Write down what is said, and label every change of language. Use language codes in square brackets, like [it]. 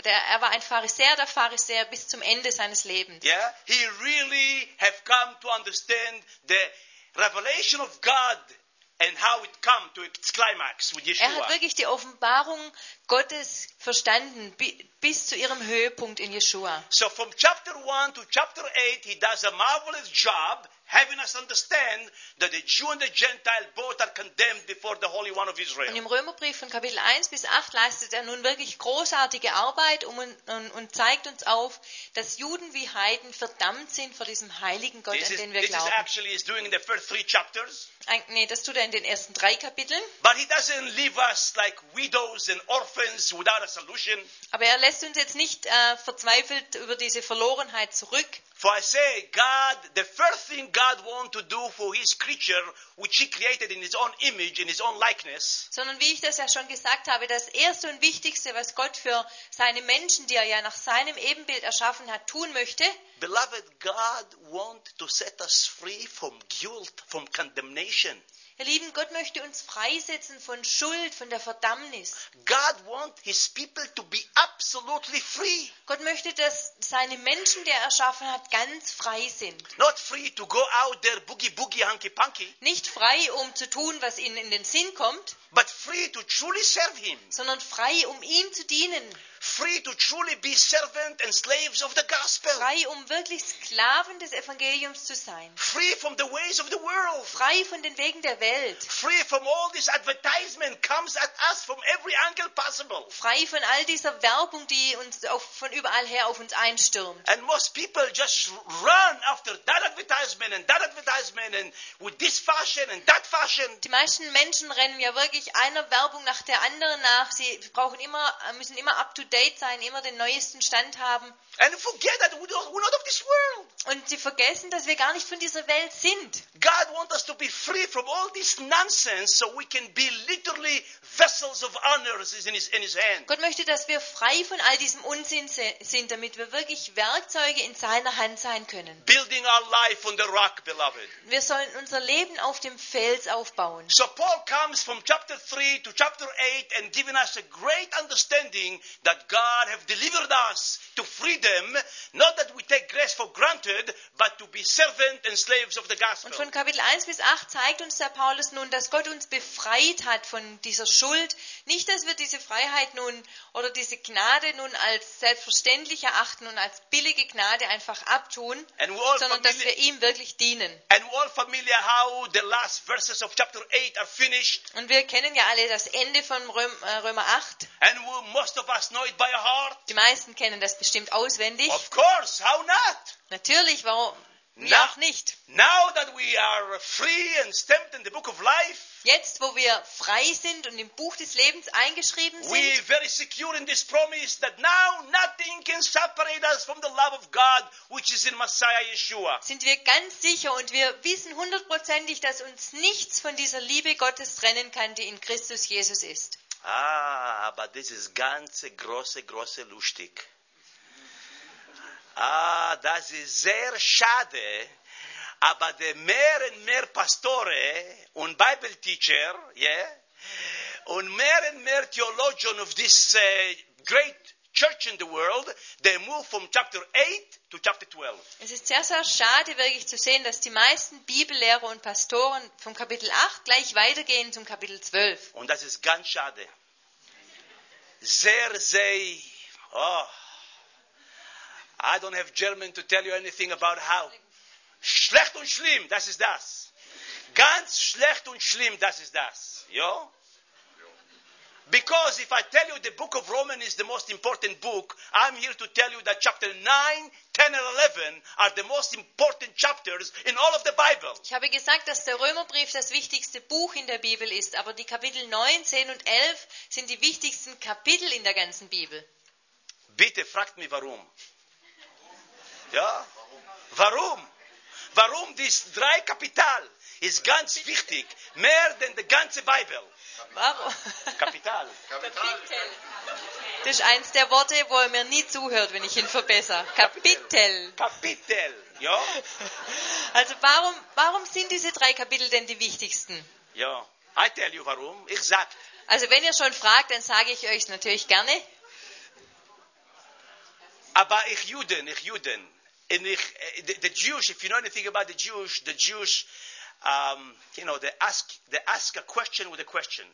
[de] Er war ein Pharisäer der Pharisäer bis zum Ende seines Lebens. [en] Yeah, he really have come to understand the revelation of God and how it came to its climax with Yeshua. [de] Er hat wirklich die Offenbarung Gottes verstanden bis zu ihrem Höhepunkt in Yeshua. [en] So from chapter 1 to chapter 8 he does a marvelous job having us understand that the Jew and the Gentile both are condemned before the Holy One of Israel. [de] Und im Römerbrief von Kapitel 1 bis 8 leistet er nun wirklich großartige Arbeit und zeigt uns auf, dass Juden wie Heiden verdammt sind vor diesem heiligen Gott, an den wir glauben. [en] This is doing in the first three chapters. [de] Nee, das tut er in den ersten drei Kapiteln. [en] But he doesn't leave us like widows and orphans without a solution. [de] Aber er lässt uns jetzt nicht verzweifelt über diese Verlorenheit zurück. [en] For I say, God, the first thing God wants to do for his creature, which he created in his own image, in his own likeness. [de] Sondern wie ich das ja schon gesagt habe, das erste und wichtigste, was Gott für seine Menschen, die er ja nach seinem Ebenbild erschaffen hat, tun möchte. [en] Beloved, God wants to set us free from guilt, from condemnation. [de] Ihr Lieben, Gott möchte uns freisetzen von Schuld, von der Verdammnis. [en] God wants his people to be absolutely free. [de] Gott möchte, dass seine Menschen, die er erschaffen hat, ganz frei sind. [en] Not free to go out there boogie boogie hunky punky. [de] Nicht frei, um zu tun, was ihnen in den Sinn kommt. [en] But free to truly serve him. [de] Sondern frei, um ihm zu dienen. [en] Free to truly be servant and slaves of the gospel. [de] Frei, um wirklich Sklaven des Evangeliums zu sein. [en] Free from the ways of the world. [de] Frei von den Wegen der Welt. [en] Free from all this advertisement comes at us from every angle possible. [de] Frei von all dieser Werbung, die uns von überall her auf uns einstürmt. [en] And most people just run after that advertisement and with this fashion and that fashion. [de] Die meisten Menschen rennen ja wirklich einer Werbung nach der anderen nach. Sie müssen immer up to date sein, immer den neuesten Stand haben. [en] And forget that we're not of this world. [de] Und sie vergessen, dass wir gar nicht von dieser Welt sind. [en] God wants us to be free from all this nonsense so we can be literally vessels of honor in his hand. [de] Gott möchte, dass wir frei von all diesem Unsinn sind, damit wir wirklich Werkzeuge in seiner Hand sein können. [en] Building our life on the rock, beloved. [de] Wir sollen unser Leben auf dem Fels aufbauen. [en] So Paul comes from chapter 3 to chapter 8 and giving us a great understanding that that God have delivered us to freedom, not that we take grace for granted, but to be servants and slaves of the gospel. [de] Und von Kapitel 1 bis 8 zeigt uns der Paulus nun, dass Gott uns befreit hat von dieser Schuld. Nicht, dass wir diese Freiheit nun oder diese Gnade nun als selbstverständlich erachten und als billige Gnade einfach abtun, sondern dass wir ihm wirklich dienen. [en] And we're all familiar how the last verses of chapter 8 are finished. [de] Und wir kennen ja alle das Ende von Römer 8. [en] And most of us know it by heart. [de] Die meisten kennen das bestimmt auswendig. [en] Of course, how not? [de] Natürlich, warum? Wie auch nicht. [en] Now that we are free and stamped in the book of life, [de] jetzt, wo wir frei sind und im Buch des Lebens eingeschrieben sind, [en] we are very secure in this promise that now nothing can separate us from the love of God, which is in Messiah Yeshua. [de] Sind wir ganz sicher und wir wissen hundertprozentig, dass uns nichts von dieser Liebe Gottes trennen kann, die in Christus Jesus ist. Ah, aber das ist ganz große, große lustig. Ah, das ist sehr schade, aber die mehr und mehr Pastore und Bibelteacher, yeah, und mehr Theologen [en] of this great church in the world, they move from chapter 8 to chapter 12. [de] Es ist sehr, sehr schade, wirklich zu sehen, dass die meisten Bibellehrer und Pastoren vom Kapitel 8 gleich weitergehen zum Kapitel 12. Und das ist ganz schade. Sehr, sehr, [en] oh, I don't have German to tell you anything about how. [de] Schlecht und schlimm, das ist das. Ganz schlecht und schlimm, das ist das. Jo? [en] Because if I tell you the book of Romans is the most important book, I'm here to tell you that chapter 9, 10 and 11 are the most important chapters in all of the Bible. [de] Ich habe gesagt, dass der Römerbrief das wichtigste Buch in der Bibel ist, aber die Kapitel 9, 10 und 11 sind die wichtigsten Kapitel in der ganzen Bibel. Bitte fragt mich warum. Ja? Warum? Warum dies drei Kapital ist ganz wichtig, mehr denn die ganze Bibel? Warum? Kapital. Kapitel. Das ist eins der Worte, wo er mir nie zuhört, wenn ich ihn verbessere. Kapitel. Kapitel. Ja? Also warum sind diese drei Kapitel denn die wichtigsten? Ja, [en] I tell you [de] warum. Ich sag. Also wenn ihr schon fragt, dann sage ich euch natürlich gerne. Aber ich Juden. [en] And the Jews, if you know anything about the Jews, you know, they ask a question with a question.